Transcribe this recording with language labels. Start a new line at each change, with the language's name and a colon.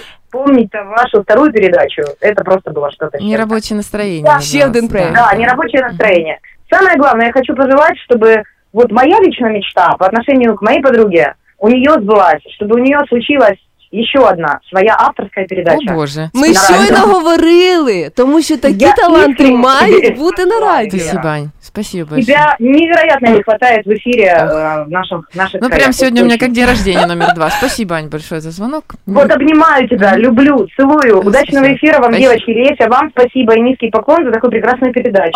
Russian: Помнить вашу вторую передачу, это просто было что-то. Нерабочее настроение. Еще один проект. Да, нерабочее настроение. Самое главное, я хочу пожелать, чтобы вот моя личная мечта по отношению к моей подруге у нее сбылась, чтобы у нее случилось еще одна своя авторская передача. О, Боже.
Ukrainian: Мы щойно говорили, тому що такі таланти мають бути на радіо.
Russian: Спасибо, Ань. Спасибо большое. Тебя невероятно не хватает в эфире наших. Ну, прям сегодня у меня как день рождения номер два. Спасибо, Ань, большое за звонок. Вот обнимаю тебя, люблю, целую. Удачного эфира вам, девочки. Леся, вам спасибо и низкий поклон за такую прекрасную передачу.